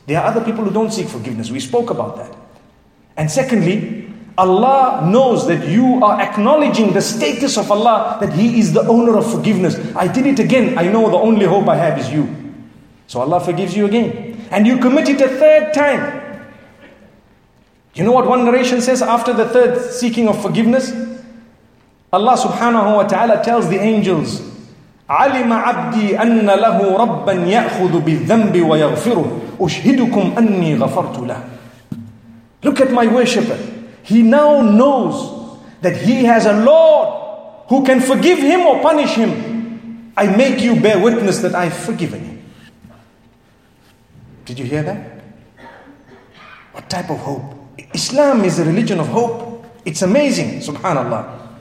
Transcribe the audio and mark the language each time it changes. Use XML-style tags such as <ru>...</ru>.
<en>There are other people who don't seek forgiveness. We spoke about that. And secondly, Allah knows that you are acknowledging the status of Allah, that He is the owner of forgiveness. I did it again. I know the only hope I have is you. So Allah forgives you again. And you commit it a third time. You know what one narration says after the third seeking of forgiveness? Allah subhanahu wa ta'ala tells the angels,</en> <ar>عَلِمَ عَبْدِي أَنَّ لَهُ رَبًّا يَأْخُذُ بِالذَّنْبِ وَيَغْفِرُهُ أُشْهِدُكُمْ أَنِّي غَفَرْتُ لَهُ.</ar> <en>Look at my worshipper. He now knows that he has a Lord who can forgive him or punish him. I make you bear witness that I've forgiven him. Did you hear that? What type of hope? Islam is a religion of hope. It's amazing, subhanallah.</en>